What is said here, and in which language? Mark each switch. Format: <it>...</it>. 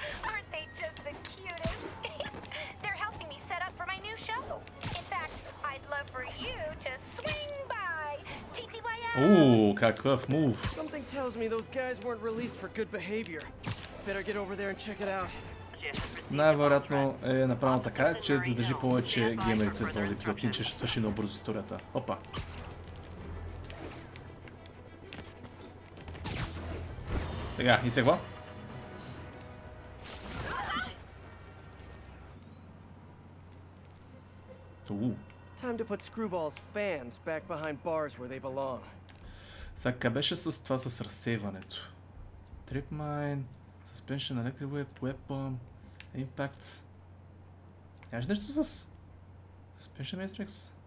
<en>Aren't they just the cutest? They're helping me set up for my new show. In fact, I'd love for you to swing by.</en> <bg>Какъв</bg> <en>move. Something tells me those guys weren't released for good behavior. Better get over there and check it out.</en> <bg>Най-вероятно е направено така, че да държи повече геймерите в този епизод, иначе ще свърши много бързо историята. Опа! Така, и сега?</bg> <en>Time to put Screwball's fans back behind bars where they belong.</en> <bg>Сега беше с това с разсейването.</bg> <en>Trip mine, suspension, electric whip, weapon. Impact.</en> <bg>Нямаш нещо с Special Matrix?</bg>